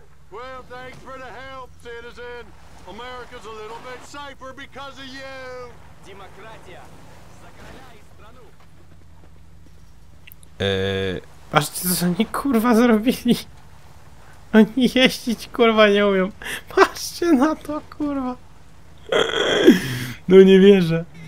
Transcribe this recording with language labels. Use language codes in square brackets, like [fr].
[en] Well, thanks for the help, citizen. America's a little bit safer because of you. [ru] Демократия за короля и страну. [pl] Patrzcie, co oni kurwa zrobili. Oni jeździć kurwa nie umią. Patrzcie na to kurwa. No nie wierzę.